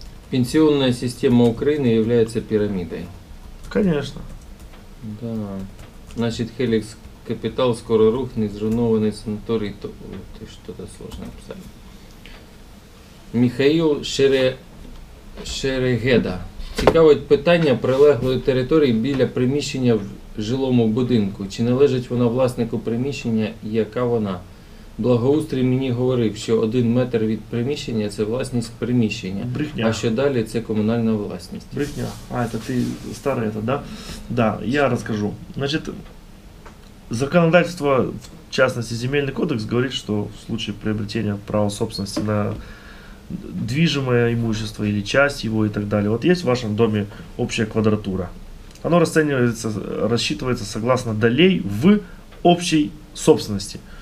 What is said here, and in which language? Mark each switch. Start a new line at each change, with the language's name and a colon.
Russian: Пенсионная система Украины является пирамидой. Конечно. Да. Значит, Helix Capital скоро рухнет, зруйнованный санаторий. Ты что-то сложно написали. Михаил Шерегеда.
Ukrainian: Цікавить питання прилеглої території біля приміщення в жилому будинку. Чи належить вона власнику приміщення і яка вона? Благоустрій мені говорив, що один метр від приміщення – це власність приміщення. Брехня. А що далі – це комунальна власність. Брехня. А, це ти старий, так? Да? Да, я розкажу. Значить, законодавство, в частності земельний кодекс, говорить, що
Russian: в случае приобретения права собственности на движимое имущество или часть его и так далее. Вот есть в вашем доме общая квадратура. Оно расценивается, рассчитывается согласно долей в общей собственности.